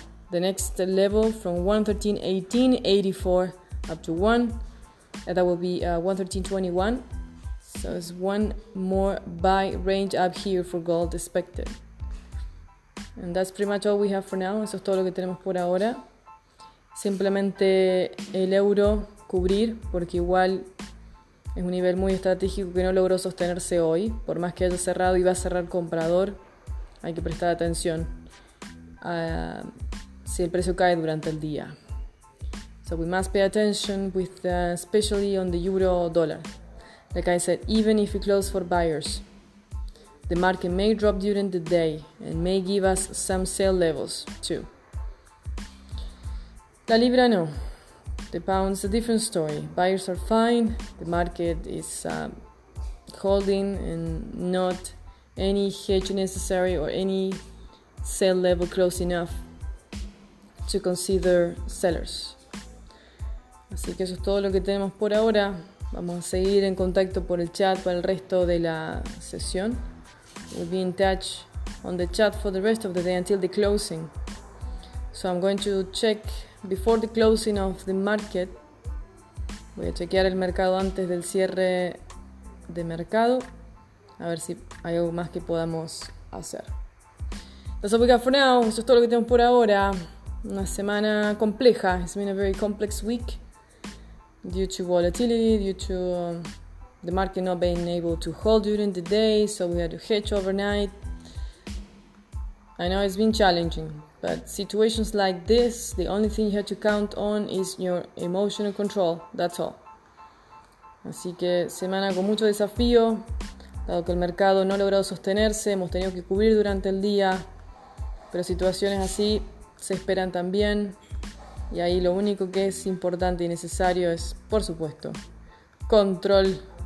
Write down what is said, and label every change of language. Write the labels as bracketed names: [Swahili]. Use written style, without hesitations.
[English] The next level from 1.1384 up to 1, and that will be 1.1321. So it's one more buy range up here for gold expected. And that's pretty much all we have for now. [Spanish] Eso es todo lo que tenemos por ahora. Simplemente el euro cubrir, porque igual es un nivel muy estratégico que no logró sostenerse hoy. Por más que haya cerrado y va a cerrar comprador, hay que prestar atención a si el precio cae durante el día. [English] So we must pay attention with especially on the euro dollar. Like I said, even if we close for buyers, the market may drop during the day and may give us some sale levels too. [Spanish] La Libra, no. [English] The pound's a different story. Buyers are fine. The market is holding and not any hedge necessary or any sell level close enough to consider sellers. [Spanish] Así que eso es todo lo que tenemos por ahora. Vamos a seguir en contacto por el chat para el resto de la sesión. [English] We'll be in touch on the chat for the rest of the day until the closing. So I'm going to check before the closing of the market. [Spanish] Voy a chequear el mercado antes del cierre de mercado. A ver si hay algo más que podamos hacer. [English] That's all we got for now. [Spanish] Eso es todo lo que tenemos por ahora. Una semana compleja. [English] It's been a very complex week due to volatility, due to the market not being able to hold during the day, so we had to hedge overnight. I know it's been challenging, but situations like this, the only thing you have to count on is your emotional control. That's all. [Spanish] Así que semana con mucho desafío, dado que el mercado no ha logrado sostenerse, hemos tenido que cubrir durante el día. Pero situaciones así se esperan también. Y ahí lo único que es importante y necesario es, por supuesto, control.